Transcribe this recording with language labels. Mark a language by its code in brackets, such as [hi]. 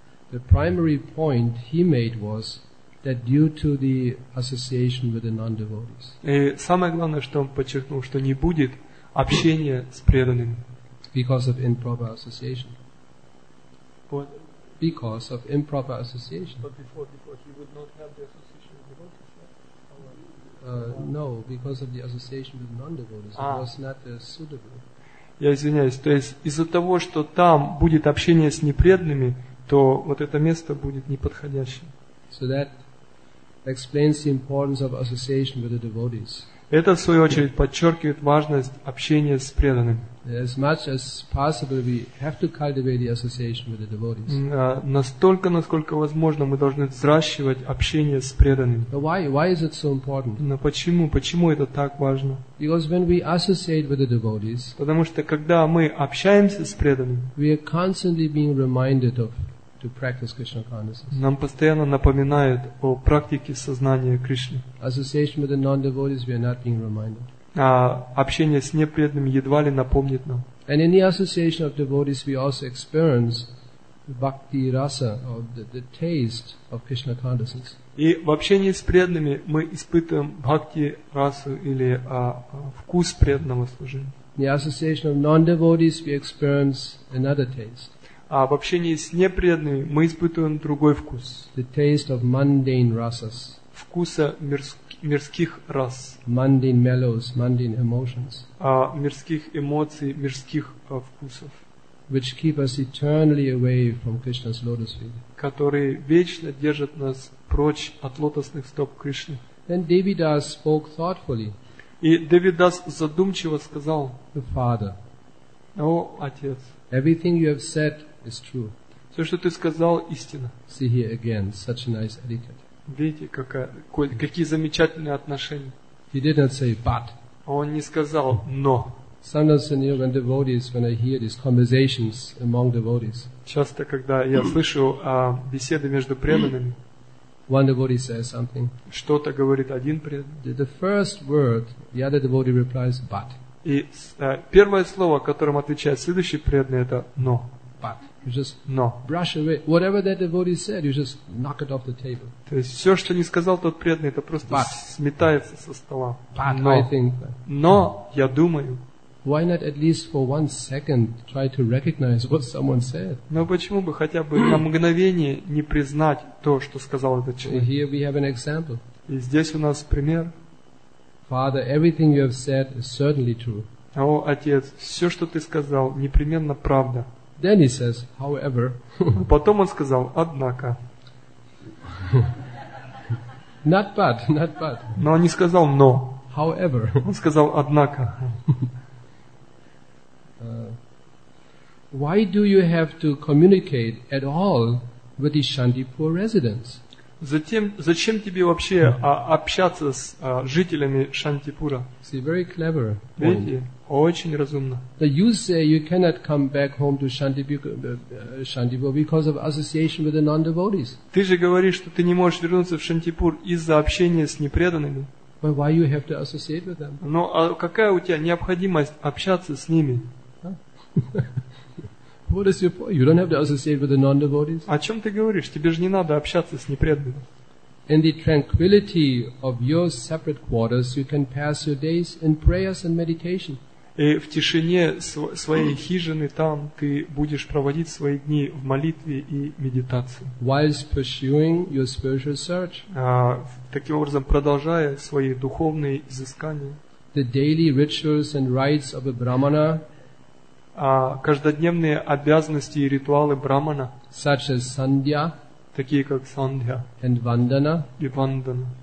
[en] The primary point he made was that due to the association with the non-devotees. [ru] И самое главное, что он подчеркнул, что не будет общения с преданными. [en] Because of improper association. What? Because of improper association. But before he would not have the association with devotees. No, because of the association with non-devotees, it was not suitable. [ru] Я извиняюсь, то есть из-за того, что там будет общение с непреданными, то вот это место будет неподходящим. [en] So that explains the importance of association with the devotees. [ru] Это, в свою очередь, подчеркивает важность общения с преданными. [en] As much as possible, we have to cultivate the association with the devotees. [ru] Настолько, насколько возможно, мы должны взращивать общение с преданными. [en] But why is it so important? [ru] Но почему это так важно? [en] Because when we associate with the devotees, [ru] потому что когда мы общаемся с преданными, [en] we are constantly being reminded of to practice Krishna consciousness. [ru] Нам постоянно напоминают о практике сознания Кришны. [en] Association with the non-devotees, we are not being reminded. [ru] А общение с непреданными едва ли напомнит нам. [en] And in the association of devotees, we also experience bhakti rasa, or the taste of Krishna consciousness. [ru] И в общении с преданными мы испытываем бхакти расу или вкус преданного служения. [en] In the association of non-devotees, we experience another taste. [ru] А в общении с непреданными мы испытываем другой вкус. [en] The taste of mundane rasas. [ru] Вкуса мирских рас. [en] Mundane mellows, mundane emotions. [ru] Мирских эмоций, мирских вкусов. [en] Which keep us eternally away from Krishna's lotus feet. [ru] Которые вечно держат нас прочь от лотосных стоп Кришны. [en] Then Devidas spoke thoughtfully. [ru] И Девидас задумчиво сказал: [en] The Father. [ru] О, Отец. [en] Everything you have said is true. [ru] Все, что ты сказал, истина. [en] See here again, such a nice etiquette. [ru] Видите, какие замечательные отношения. [en] He did not say but. [ru] Он не сказал но. [en] Sometimes, you know, when devotees, when I hear these conversations among devotees. [ru] Часто, когда я слышу беседы между преданными. [en] One devotee says something. [ru] Что-то говорит один преданный. [en] The first word, the other devotee replies but. [ru] И первое слово, которым отвечает следующий преданный, это но. [en] But. You just brush away whatever that devotee said. You just knock it off the table. [ru] То есть все, что не сказал тот преданный, это просто [en] but, [ru] сметается со стола. [en] But, [ru] но, [en] I think, [ru] но я думаю. [en] Why not at least for one second try to recognize what someone said? [ru] Но почему бы хотя бы на мгновение не признать то, что сказал этот человек? [en] So here we have an example. [ru] И здесь у нас пример. [en] Father, everything you have said is certainly true. [ru] О, отец, все, что ты сказал, непременно правда. [en] Then he says, however. [ru] Потом он сказал, однако. [en] Not bad. [ru] Но он не сказал но. [en] However. [ru] Он сказал однако. [en] Why do you have to communicate at all with the Shantipur residents? [ru] Зачем тебе вообще общаться с жителями Шантипура? [en] See, very clever. [ru] Видите, очень разумно. [en] So you say you cannot come back home to Shantipur because of association with the non-devotees. [ru] Ты же говоришь, что ты не можешь вернуться в Шантипур из-за общения с непреданными. [en] But why you have to associate with them? [ru] Но какая у тебя необходимость общаться с ними? [en] What is your point? You don't have to associate with the non-devotees. [ru] О чем ты говоришь? Тебе же не надо общаться с непреданными. [en] in the tranquility of your separate quarters, you can pass your days in prayers and meditation. [ru] И в тишине своей хижины там ты будешь проводить свои дни в молитве и медитации. [en] Whilst pursuing your spiritual search, [ru] таким образом продолжая свои духовные изыскания. [en] The daily rituals and rites of a brahmana, [ru] каждодневные обязанности и ритуалы брахмана, [en] such as sandhya, [ru] такие как сандхья, [en] and vandana, [ru] и вандана,